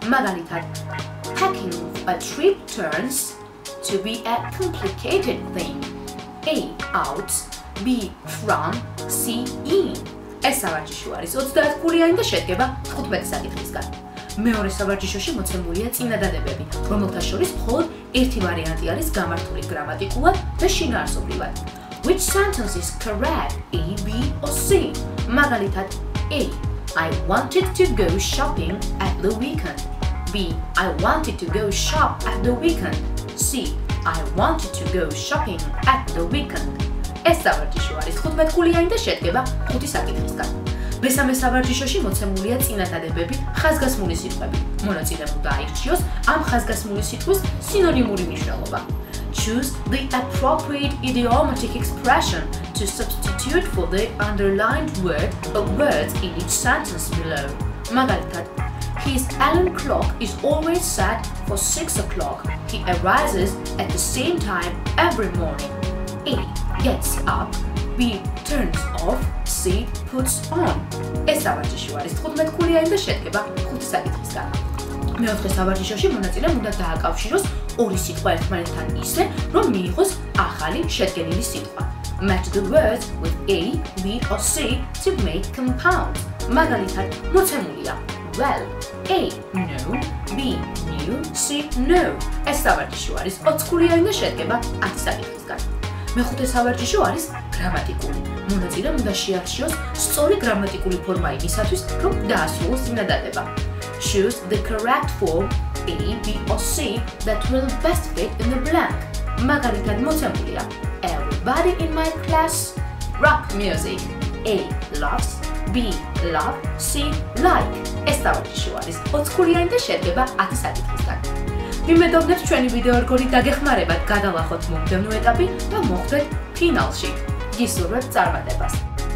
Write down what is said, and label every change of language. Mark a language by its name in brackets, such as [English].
[Georgian] Magalitar, [English] packing a trip turns to be a complicated thing. A, out, B, from, C, in. [Georgian] ეს სავარჯიშო არის 30 ქულიანი და შედგება 15 საკითხისგან. მეორე სავარჯიშოში მოცემულია წინადადებები, რომელთა შორის მხოლოდ ერთი ვარიანტი არის გამართული გრამატიკულად და შინაარსობრივად. [English] Which sentence is correct, A, B or C? [Georgian] Magalitat, [English] A. I wanted to go shopping at the weekend. B. I wanted to go shop at the weekend. C. I wanted to go shopping at the weekend. [Georgian] ეს სავარჯიშო არის 15 ქულიანი და შედგება 5 საკითხისგან. მესამე სავარჯიშოში მოცემულია წინადადებები ხაზგასმული სიტყვები. მონაწილეობა აირჩიოს ამ ხაზგასმული სიტყვის სინონიმური მნიშვნელობა. [English] Choose the appropriate idiomatic expression to substitute for the underlined word or words in each sentence below. [Georgian] Magalitat, [English] his alarm clock is always set for 6 o'clock. He arises at the same time every morning. A. Gets up. B. Turns off. C. Puts on. [Georgian] ეს სავარჯიშო არის 15 ქულიანი და შედგება 5 საკითხისგან. მეოთხე სავარჯიშოში მონაწილე უნდა დააკავშიროს ორი სიტყვა ერთმანეთთან ისე, რომ მიიღოს ახალი შედგენილი სიტყვა. [English] Match the words with A, B or C to make compound. [Georgian] მაგალითად, მოცემულია: [English] Well, A, no, B, new, C, no. [Georgian] ეს სავარჯიშო არის 20 ქულიანი და შედგება 10 საკითხისგან. მეხუთე სავარჯიშო არის გრამატიკული. მონაწილე უნდა შეარჩიოს სწორი გრამატიკული ფორმა იმისათვის, რომ დაასრულოს წინადადება. [English] Choose the correct form A, B or C that will best fit in the blank. [Georgian] Magalitat, მოცემულია: [English] Everybody in my class rock music. A, loves. B, love. C, like. [Georgian] ეს სავარჯიშო არის 20 ქულიანი და შედგება 10 საკითხისგან. მიმედოვნებს ჩვენი ვიდეო რგოლი დაგეხმარებათ, გადალახოთ მომდევნო ეტაპი და მოხვდეთ ფინალში. გისურვებთ წარმატებას.